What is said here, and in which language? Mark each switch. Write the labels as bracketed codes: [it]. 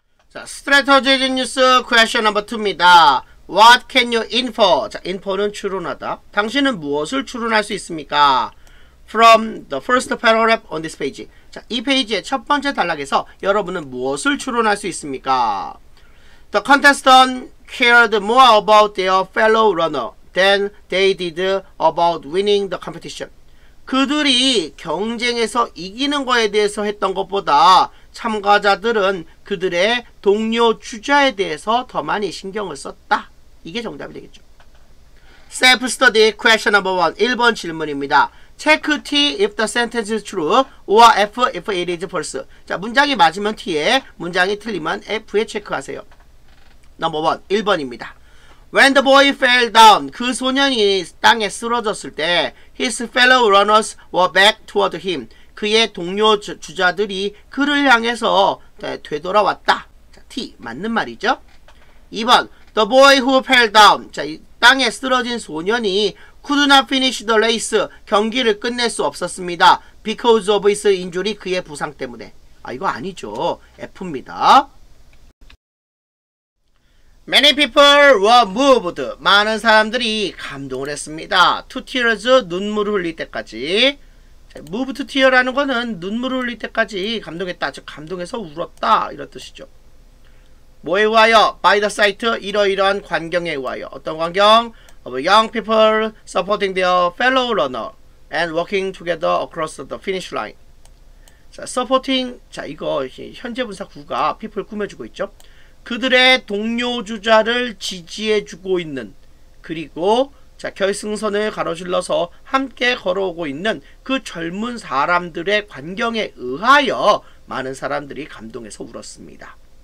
[en] 자, strategic news question number 2입니다. What can you infer? [ko] 자, infer는 추론하다. 당신은 무엇을 추론할 수 있습니까? [en] From the first paragraph on this page. [ko] 자, 이 페이지의 첫 번째 단락에서 여러분은 무엇을 추론할 수 있습니까? [en] The contestant cared more about their fellow runner than they did about winning the competition. [ko] 그들이 경쟁에서 이기는 거에 대해서 했던 것보다 참가자들은 그들의 동료 주자에 대해서 더 많이 신경을 썼다. 이게 정답이 되겠죠. [en] Self-study question number 1. [ko] 1번 질문입니다. [en] Check T if the sentence is true or F if it is false. [ko] 자, 문장이 맞으면 T에, 문장이 틀리면 F에 체크하세요. [en] Number 1, [ko] 1번입니다. [en] When the boy fell down, [ko] 그 소년이 땅에 쓰러졌을 때 [en] his fellow runners were back toward him. [ko] 그의 동료 주자들이 그를 향해서 되돌아왔다. 자, T, 맞는 말이죠. 2번, [en] the boy who fell down. [ko] 자, 땅에 쓰러진 소년이 [en] could not finish the race. [ko] 경기를 끝낼 수 없었습니다. [en] Because of his injury. [ko] 그의 부상 때문에. 아, 이거 아니죠. F입니다. [en] Many people were moved. [ko] 많은 사람들이 감동을 했습니다. [en] To tears. [ko] 눈물을 흘릴 때까지. [en] Move to tear [ko] 라는 거는 눈물을 흘릴 때까지 감동했다. 즉, 감동해서 울었다. 이런 뜻이죠. 뭐에 의하여? [en] By the sight. [ko] 이러이러한 광경에 의하여. 어떤 광경? [en] Of young people supporting their fellow runner and working together across the finish line. [ko] 자, supporting. 자, 이거 현재 분사 구가 people 꾸며주고 있죠. 그들의 동료 주자를 지지해주고 있는, 그리고 자, 결승선을 가로질러서 함께 걸어오고 있는 그 젊은 사람들의 광경에 의하여 많은 사람들이 감동해서 울었습니다.